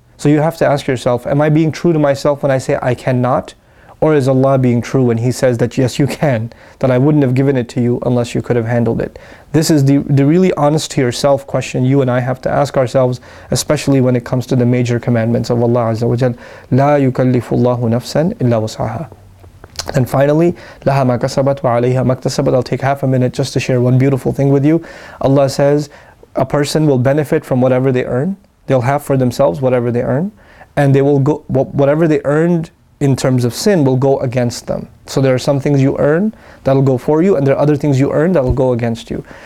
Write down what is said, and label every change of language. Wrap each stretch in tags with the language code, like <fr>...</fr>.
<en>So you have to ask yourself, am I being true to myself when I say I cannot? Or is Allah being true when He says that yes, you can, that I wouldn't have given it to you unless you could have handled it? This is the really honest to yourself question you and I have to ask ourselves, especially when it comes to the major commandments of Allah Azza wa Jal.</en> <ar>لَا يُكَلِّفُ اللَّهُ نَفْسًا إِلَّا وُسْعَهَا.</ar> <en>And finally,</en> <ar>لَهَا مَا كَسَبَتْ وَعَلَيْهَا مَا اكْتَسَبَتْ.</ar> <en>I'll take half a minute just to share one beautiful thing with you. Allah says, a person will benefit from whatever they earn. They'll have for themselves whatever they earn. And they will go, whatever they earned in terms of sin will go against them. So there are some things you earn that'll go for you, and there are other things you earn that'll go against you.</en>